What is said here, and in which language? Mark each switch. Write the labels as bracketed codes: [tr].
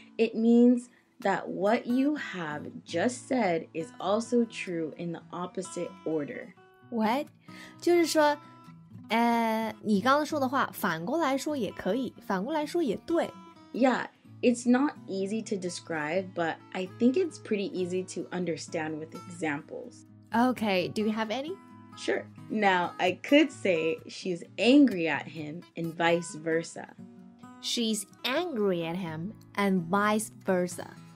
[en] It means that what you have just said is also true in the opposite order. What? [zh] 就是说，你刚刚说的话，反过来说也可以，反过来说也对。 [en] Yeah, it's not easy to describe, but I think it's pretty easy to understand with examples. Okay, do you have any? Sure. Now, I could say she's angry at him and vice versa. She's angry at him and vice versa.